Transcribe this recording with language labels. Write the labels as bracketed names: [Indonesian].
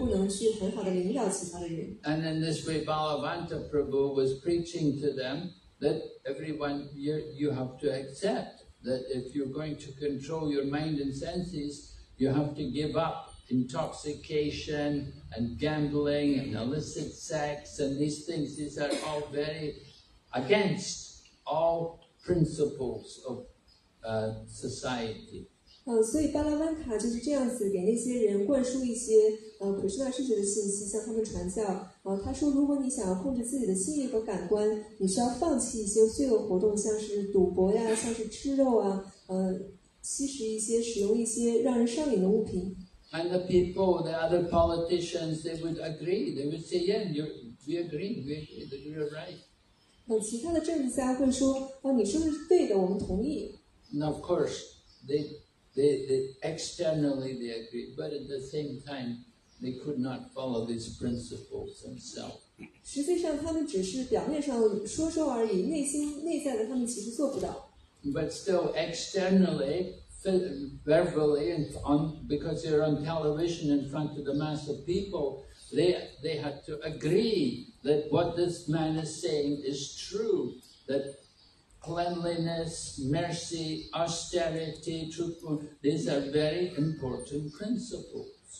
[Chinese] 如果一个人不能控制自己的躯体和心意的话，他并不能去很好的领导其他的人。 [English] And in this way, Balavanta Prabhu was preaching to them that everyone, you have to accept that if you're going to control your mind and senses, you have to give up intoxication and gambling and illicit sex and these things. These are all very against all principles of society. [Chinese] 所以巴拉万卡就是这样子给那些人灌输一些普什纳世学的信息，向他们传教。他说，如果你想要控制自己的心意和感官，你需要放弃一些罪恶活动，像是赌博呀，像是吃肉啊，吸食一些、使用一些让人上瘾的物品。 [English] And the people, the other politicians, they would agree. They would say, "Yeah, we agree, you're right." [Chinese] 其他的政治家会说，你说的是对的，我们同意。 [English] And of course, they they externally they agreed, but at the same time they could not follow these principles themselves. [Chinese] 实际上他们只是表面上说说而已，内心内在的他们其实做不到。 [English] But still externally, verbally, and on, because they're on television in front of the mass of people, they had to agree that what this man is saying is true, that cleanliness, mercy, austerity, truthfulness, these are very important principles.